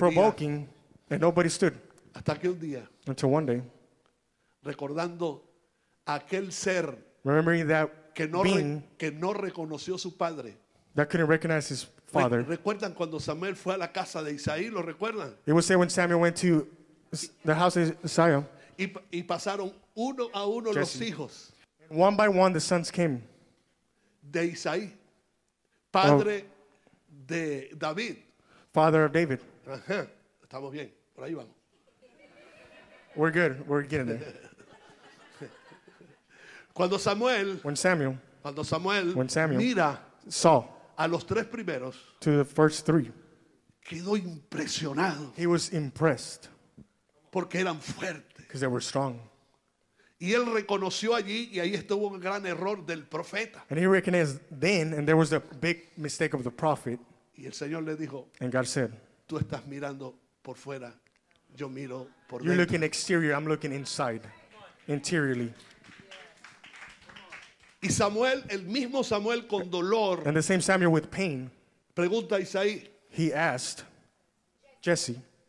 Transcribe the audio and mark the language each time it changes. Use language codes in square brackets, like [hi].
[en] Provoking, and nobody stood. [es] Hasta que un día. [en] Until one day. [es] Recordando aquel ser. [en] Remembering that [es] que no [en] being. [es] Que no reconoció su padre. [en] That couldn't recognize his father. [es] Recuerdan cuando Samuel fue a la casa de Isaí, ¿lo recuerdan? [en] It was said when Samuel went to the house of Isaí. [es] Y pasaron uno a uno [en] Jesse. [es] Los hijos. [en] One by one the sons came. [es] De Isaí. Padre de David. [en] Father of David. [es] Estamos bien. Por ahí vamos. [en] We're good. We're getting there. [es] Cuando Samuel. [en] When Samuel. [es] Cuando Samuel. [en] When Samuel. [es] Mira. [en] Saw. [es] A los tres primeros. [en] To the first three. [es] Quedó impresionado. [en] He was impressed. [es] Porque eran fuertes. [en] Because they were strong. [es] Y él reconoció allí y ahí estuvo un gran error del profeta. [en] And he recognized then and there was a big mistake of the prophet. [es] Y el Señor le dijo, [en] and God said, [es] tú estás mirando por fuera, yo miro por [en] you're [es] dentro. [en] Looking exterior, I'm looking inside, interiorly. [es] Y Samuel, el mismo Samuel con dolor, [en] and the same Samuel with pain, [es] pregunta a Isaí, [en] he asked Jesse,